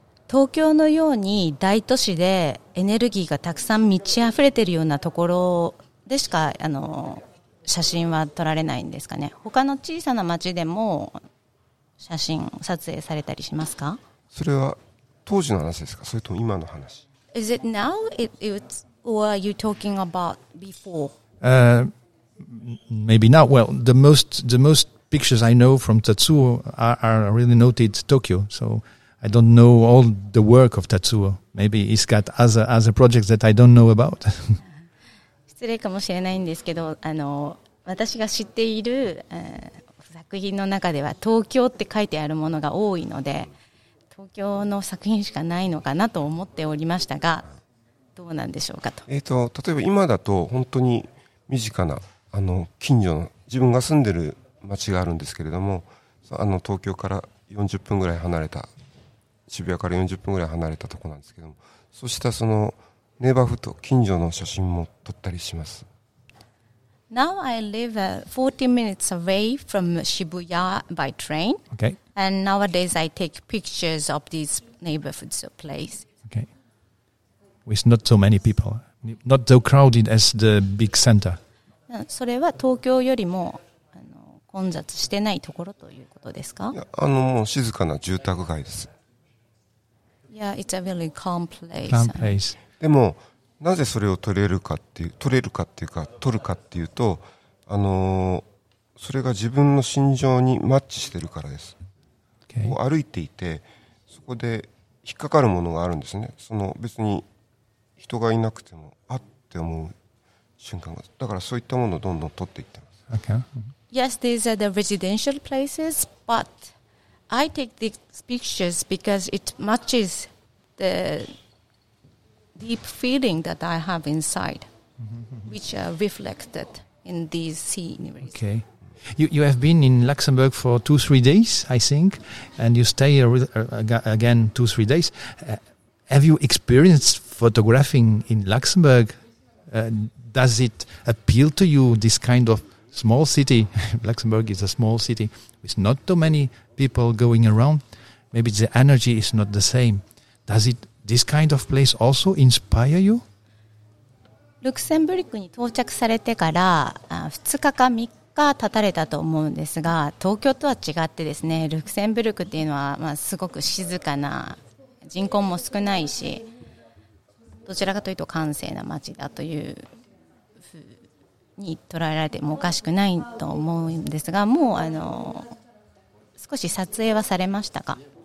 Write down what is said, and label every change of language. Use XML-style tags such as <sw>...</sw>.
<ja>東京のように大都市でエネルギーがたくさん満ち溢れているようなところでしか写真は撮られないんですかね。他の小さな町でも写真撮影されたりしますか？それは当時の話ですか？それとも今の話？</ja> <en>Is it now? It's or are you talking about before? Maybe not. Well, the most pictures I know from Tatsuo are really noted Tokyo. So. I don't know all the work of Tatsuo. Maybe he's got other projects that I don't know about.</en> <ja>失礼かもしれないんですけど、私が知っている、作品の中では東京って書いてあるものが多いので、東京の作品しかないのかなと思っておりましたが、どうなんでしょうかと。例えば今だと本当に身近な近所の自分が住んでる町があるんですけれども、東京から40分ぐらい離れた。渋谷から40分ぐらい離れたところなんですけども、そうしたそのネイバーフと近所の写真も撮ったりします。</ja> <en>Now I live 40 minutes away from Shibuya by train. Okay. And nowadays I take pictures of these neighborhoods of place. Okay. With not so many people, not so crowded as the big center.</en> <ja>それは東京よりも混雑してないところということですか？もう静かな住宅街です。</ja> <en>Yeah, it's a really calm place. Calm place.</en> <ja>でもなぜそれを撮れるかっていう、撮れるかっていうか撮るかっていうと、それが自分の心情にマッチしてるからです。</ja> <en>Okay.</en> <ja>こう歩いていて、そこで引っかかるものがあるんですね。その別に人がいなくてもあって思う瞬間が、だからそういったものをどんどん撮っていってます。</ja> <en>Okay. Yes, these are the residential places, but. I take these pictures because it matches the deep feeling that I have inside, which are reflected in these sceneries. Okay. You have been in Luxembourg for 2-3 days, I think, and you stay again 2-3 days. Have you experienced photographing in Luxembourg? Does it appeal to you, this kind of small city? Luxembourg is a small city with not too many... people going around, maybe the energy is not the same. Does it this kind of place also inspire you?</en> <ja>ルクセンブリックに到着されてから2日か3日経たれたと思うんですが、東京とは違ってですね、ルクセンブリックっていうのはすごく静かな、人口も少ないし、どちらかというと閑静な街だというふうに捉えられてもおかしくないと思うんですが、もう少し撮影はされましたか？</ja>